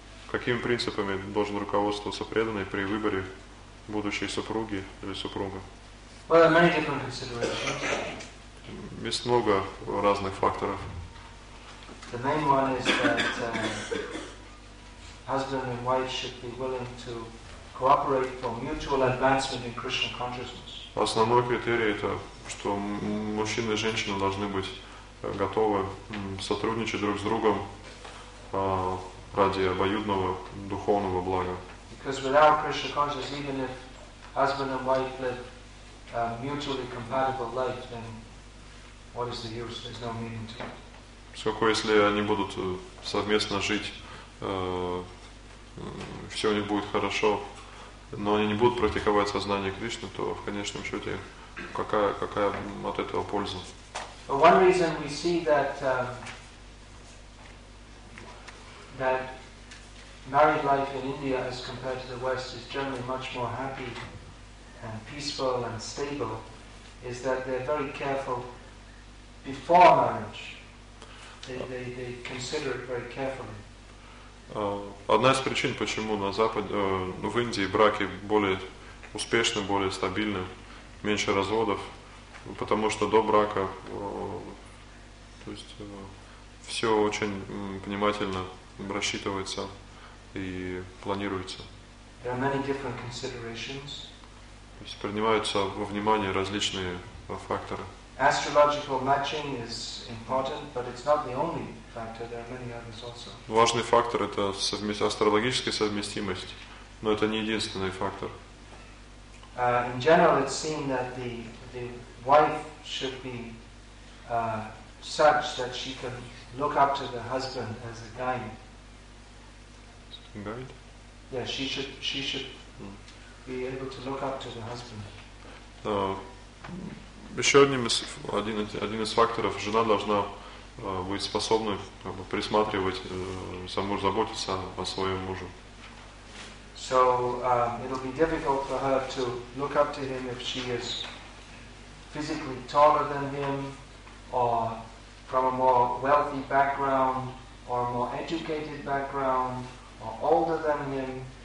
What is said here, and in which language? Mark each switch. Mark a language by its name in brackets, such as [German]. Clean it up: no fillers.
[Russian] Какими принципами должен руководствоваться преданный при выборе будущей супруги или супруга? [English] Well, many different considerations. [Russian] Есть много разных факторов. [English] The main one is that husband and wife should be willing to cooperate for mutual advancement in Krishna consciousness. [Russian] Основной критерий это, что мужчина и женщина должны быть готовы сотрудничать друг с другом ради обоюдного духовного блага. [English] Because without Krishna consciousness, even if husband and wife live a mutually compatible life, then what is the use? There's no meaning to it. [Russian] Поскольку если они будут совместно жить, все у них будет хорошо, но они не будут практиковать сознание Кришны, то в конечном счете какая от этого польза? [English] One reason we see that married life in India as compared to the West is generally much more happy and peaceful and stable is that they're very careful before marriage. They consider it very carefully. [Russian] Одна из причин, почему на Западе, в Индии браки более успешны, более стабильны, меньше разводов, потому что до брака, то есть все очень внимательно рассчитывается и планируется. [English] There are many different considerations. [Russian] То есть принимаются во внимание различные факторы. [English] Astrological matching is important, but it's not the only factor. There are many others also. [Russian] Важный фактор – это астрологическая совместимость, но это не единственный фактор. [English] In general, it's seen that the wife should be such that she can look up to the husband as a guide. Guide? Yeah, she should be able to look up to the husband. [Russian] Еще один из факторов, жена должна быть способной как бы, присматривать саму, заботиться о своем муже. [English] So, it'll be difficult for her to look up to him if she is physically taller than him, or from a more wealthy background, or a more educated background, or older than him.